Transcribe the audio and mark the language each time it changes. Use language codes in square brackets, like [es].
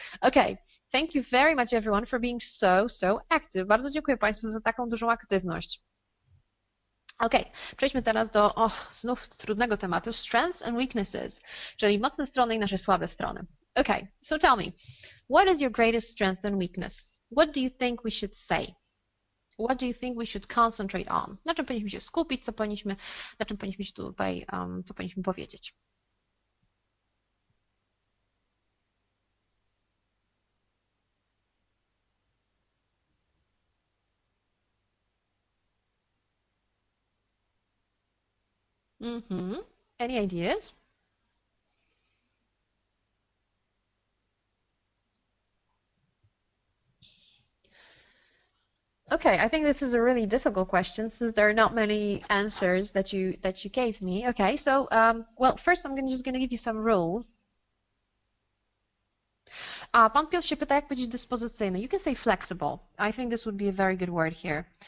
[en] Okay, thank you very much everyone for being so, so active. [pl] Bardzo dziękuję Państwu za taką dużą aktywność. Okay, przejdźmy teraz do znów trudnego tematu, strengths and weaknesses, czyli mocne strony i nasze słabe strony. [en] Okay, so tell me, what is your greatest strength and weakness? What do you think we should say? What do you think we should concentrate on? [pl] Na czym powinniśmy się skupić, co powinniśmy powiedzieć? [en] Any ideas? Okay, I think this is a really difficult question since there are not many answers that you gave me. Okay, so well, first I'm just going to give you some rules. [pl] A, pan Piotr się pyta, jak powiedzieć dyspozycyjny. [en] You can say flexible. I think this would be a very good word here.